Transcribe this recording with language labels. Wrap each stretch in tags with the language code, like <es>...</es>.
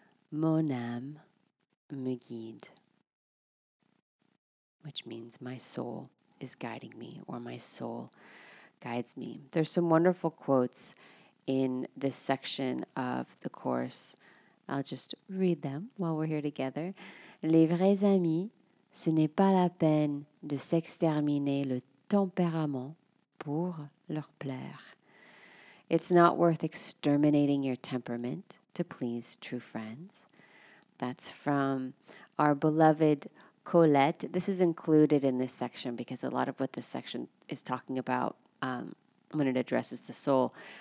<fr>Mon âme me guide.</fr> <en>Which means my soul is guiding me, or my soul guides me. There's some wonderful quotes in this section of the course. I'll just read them while we're here together.</en> <fr>Les vrais amis, ce n'est pas la peine de s'exterminer le tempérament pour leur plaire.</fr> <en>It's not worth exterminating your temperament to please true friends. That's from our beloved Colette. This is included in this section because a lot of what this section is talking about when it addresses the soul</en>